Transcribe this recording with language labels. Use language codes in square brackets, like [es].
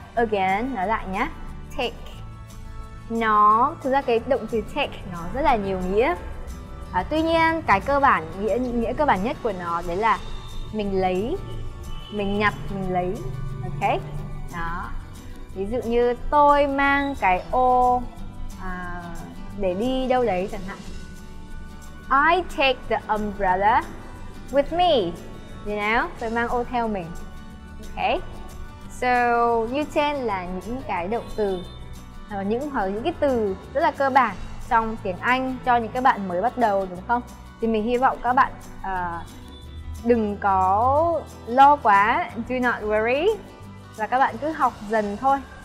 [vi] Again, nói lại nhé. Take. Nó, thực ra cái động từ take nó rất là nhiều nghĩa. À, tuy nhiên cái cơ bản, nghĩa cơ bản nhất của nó đấy là mình lấy, mình nhặt, mình lấy. Ok. Đó. Ví dụ như tôi mang cái ô để đi đâu đấy chẳng hạn. [en] I take the umbrella with me. You know, [vi] tôi mang ô theo mình. Ok. So, như trên là những cái động từ hoặc những cái từ rất là cơ bản trong tiếng Anh cho những các bạn mới bắt đầu, đúng không? Thì mình hy vọng các bạn đừng có lo quá, [en] do not worry, [vi] và các bạn cứ học dần thôi.